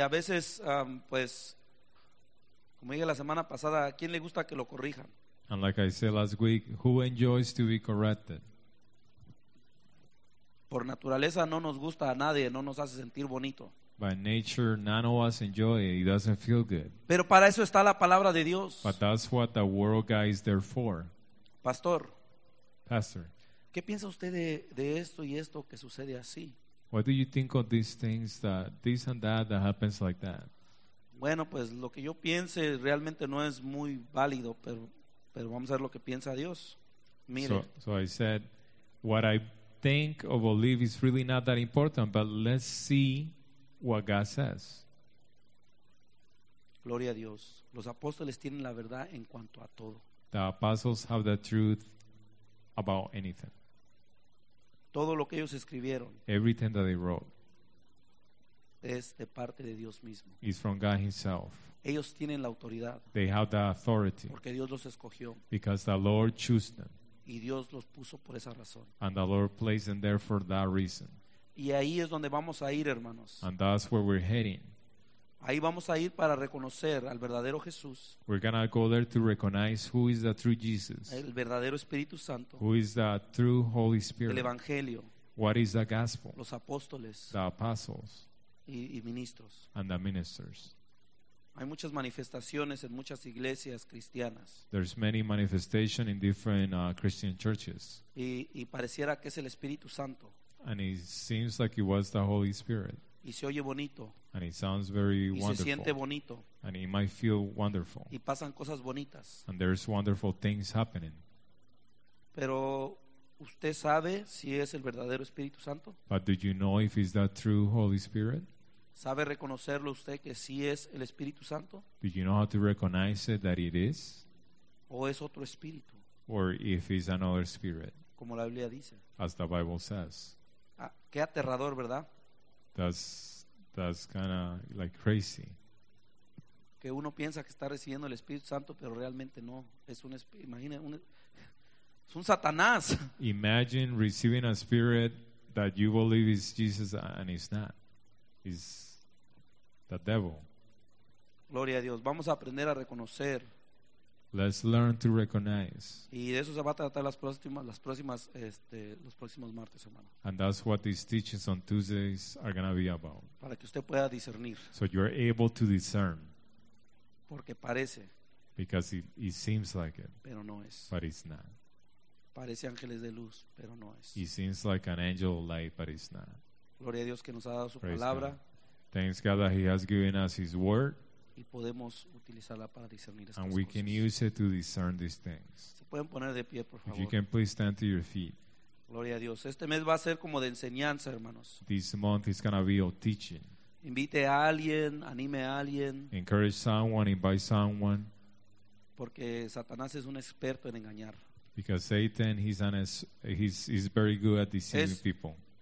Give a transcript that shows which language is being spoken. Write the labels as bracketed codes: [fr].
[es] A veces, como dije la semana pasada, ¿a quién le gusta que lo corrijan? [en] And like I said last week, who enjoys to be corrected? [es] Por naturaleza no nos gusta a nadie, no nos hace sentir bonito. [en] By nature, none of us enjoy it. It doesn't feel good. [es] Pero para eso está la palabra de Dios. [en] But that's what the word of God is there for. [es] Pastor. ¿Qué piensa usted de esto y esto que sucede así? [en] What do you think of these things, that this and that, that happens like that? [es] Bueno, pues lo que yo piense realmente no es muy válido, pero vamos a ver lo que piensa Dios. Mire. [en] So I said, what I think or believe is really not that important, but let's see what God says. [es] Gloria a Dios. Los apóstoles tienen la verdad en cuanto a todo. [en] The apostles have the truth about anything. [es] Todo lo que ellos escribieron. [en] Everything that they wrote. [es] Es de parte de Dios mismo. [en] Is from God himself. [es] Ellos tienen la autoridad. [en] They have the authority. [es] Porque Dios los escogió. [en] Because the Lord chose them. [es] Y Dios los puso por esa razón. [en] And the Lord placed them there for that reason. [es] Y ahí es donde vamos a ir, hermanos. [en] And that's where we're heading. [es] Ahí vamos a ir para reconocer al verdadero Jesús. [en] We're gonna go there to recognize who is the true Jesus. [es] El verdadero Espíritu Santo. [en] Who is the true Holy Spirit. [es] El Evangelio. [en] What is the gospel. [es] Los apóstoles. [en] The apostles. [es] Y ministros. [en] And the ministers. [es] Hay muchas manifestaciones en muchas iglesias cristianas. [en] There's many manifestations in different Christian churches. [es] Y pareciera que es el Espíritu Santo. [en] And it seems like it was the Holy Spirit. [es] Y se oye bonito. [en] And it sounds very wonderful. [es] Y se siente bonito. [en] And it might feel wonderful. [es] Y pasan cosas bonitas. [en] And there's wonderful things happening. [es] Pero usted sabe si es el verdadero Espíritu Santo. [en] But do you know if it's that true Holy Spirit? [es] ¿Sabe reconocerlo usted que sí es el Espíritu Santo? [en] Do you know how to recognize it, that it is? [es] ¿O es otro espíritu? [en] Or if it's another spirit. [es] Como la Biblia dice. [en] As the Bible says. [es] Qué aterrador, ¿verdad? [en] That's kind of like crazy. [es] Que uno piensa que está recibiendo el Espíritu Santo, pero realmente no. Es un espíritu, imagina, es un Satanás. [en] Imagine receiving a spirit that you believe is Jesus and it's not. It's the devil. [es] Gloria a Dios. Vamos a aprender a reconocer [en] Let's learn to recognize. [es] Y de eso se va a tratar las próximas los próximos martes, hermano. [en] And that's what these teachings on Tuesdays are going to be about. [es] Para que usted pueda discernir. [en] So you're able to discern. [es] Porque parece. [en] Because it seems like it. [es] Pero no es. [en] But it's not. [es] Parece ángeles de luz, pero no es. [en] It seems like an angel of light, but it's not. [es] Gloria a Dios que nos ha dado su palabra. [en] Thanks God that He has given us His word. [es] Y podemos utilizarla para discernir estas cosas. [en] And we can use it to discern these things. [es] Se pueden poner de pie, por favor. [en] If you can please stand to your feet. [es] Gloria a Dios. Este mes va a ser como de enseñanza, hermanos. [en] This month is going to be of teaching. [es] Invite a alguien, anime a alguien. [en] Encourage someone, invite someone. [es] Porque Satanás es un experto en engañar. [en] Because Satan, he's very good at deceiving people.